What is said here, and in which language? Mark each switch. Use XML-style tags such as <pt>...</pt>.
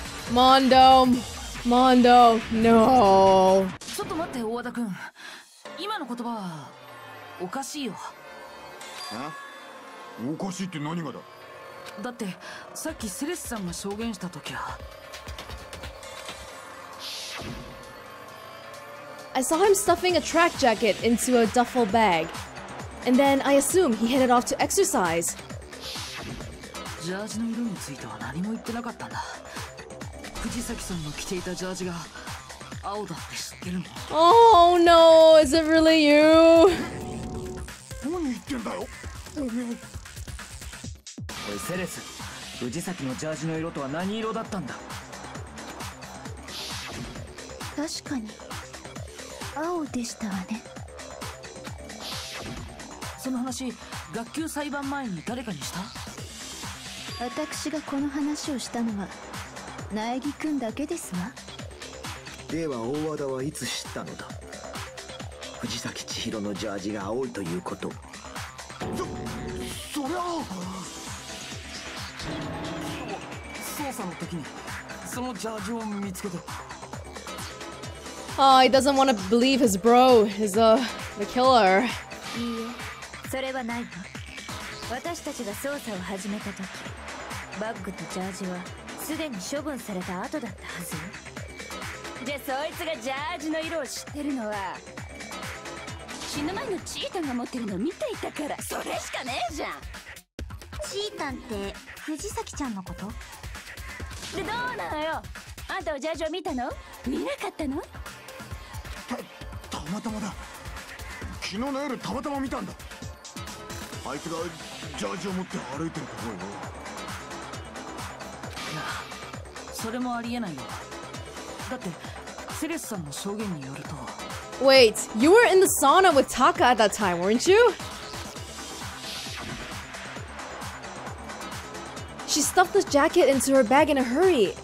<en>Mondo, no.</en> <ja>ちょっと待って、大和田君。今の言葉はおかしいよ。おかしいって何がだ？だってさっきセレスさんが証言した時は。</ja> <en>I saw him stuffing a track jacket into a duffel bag, and then I assume he headed off to exercise.</en> <ja>ジャージの色については何も言ってなかったんだ。藤崎さんの着ていたジャージが青だって知ってるの？</ja> <en>Oh no! Is it really you?</en> <ja>何言ってんだよ。おいセレス、藤崎のジャージの色とは何色だったんだ？確かに青でしたわね。その話、学級裁判前に誰かにした？私がこの話をしたのは苗木くんだけですわ。では大和田はいつ知ったのだ。藤崎千尋のジャージが青いということ。そりゃ捜査の時にそのジャージを見つけた。</ja> <en>He doesn't want to believe his bro is the killer.</en> <ja>いいえ、それはないわ。私たちが捜査を始めた時、バッグとジャージはすでに処分された後だったはず。でそいつがジャージの色を知ってるのは、死ぬ前のチータンが持ってるのを見ていたから。それしかねえじゃん。チータンって藤崎ちゃんのこと？でどうなのよ、あんたはジャージを見たの？見なかったの？たまたまだ。昨日の夜たまたま見たんだ。あいつがジャージを持って歩いてるところよ。いや、それもありえないよ。だってセレスさんの証言によると。</ja> <en>Wait, you were in the sauna with Taka at that time, weren't you? She stuffed the jacket into her bag in a hurry.</en>